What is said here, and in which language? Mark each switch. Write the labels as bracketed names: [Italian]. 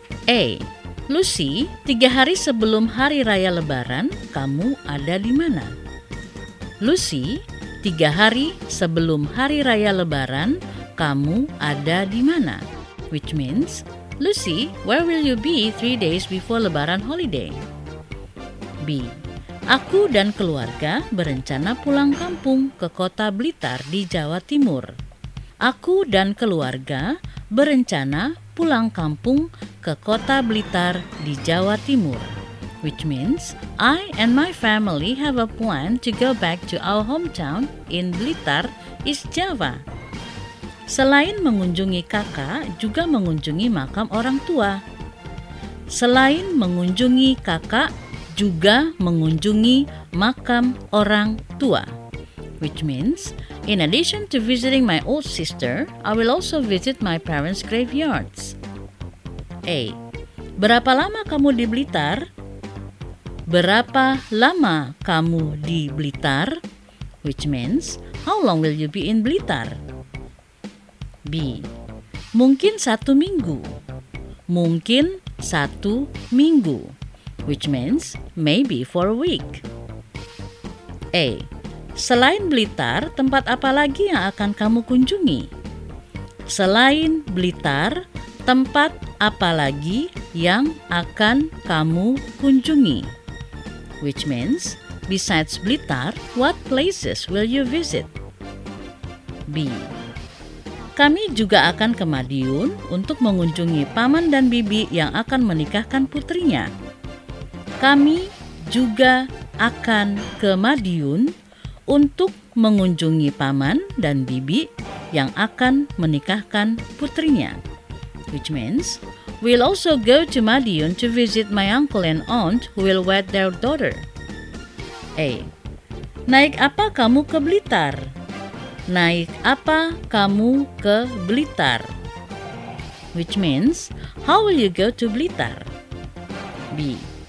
[Indonesian] A. Lucy, 3 hari sebelum hari raya lebaran, kamu ada di mana? Lucy, 3 hari sebelum hari raya lebaran, kamu ada di mana? [English] Which means, Lucy, where will you be 3 days before lebaran holiday? B. [Indonesian] Aku dan keluarga berencana pulang kampung ke kota Blitar di Jawa Timur. Aku dan keluarga berencana pulang kampung ke kota Blitar di Jawa Timur. [English] Which means, I and my family have a plan to go back to our hometown in Blitar, East Java. [Indonesian] Selain mengunjungi kakak, juga mengunjungi makam orang tua. Selain mengunjungi kakak, juga mengunjungi makam orang tua. [English] Which means, in addition to visiting my old sister, I will also visit my parents' graveyards. A. [Indonesian] Berapa lama kamu di Blitar? Berapa lama kamu di Blitar? [English] Which means, how long will you be in Blitar? B. [Indonesian] Mungkin 1 minggu. Mungkin 1 minggu. [English] Which means, maybe for a week. A. [Indonesian] Selain Blitar, tempat apa lagi yang akan kamu kunjungi? Selain Blitar, tempat apa lagi yang akan kamu kunjungi? [English] Which means, besides Blitar, what places will you visit? B. [Indonesian] Kami juga akan ke Madiun untuk mengunjungi paman dan bibi yang akan menikahkan putrinya. Kami juga akan ke Madiun untuk mengunjungi paman dan bibi yang akan menikahkan putrinya. [English] Which means, we'll also go to Madiun to visit my uncle and aunt who will wed their daughter. A. [Indonesian] Naik apa kamu ke Blitar? Naik apa kamu ke Blitar? [English] Which means, how will you go to Blitar? B.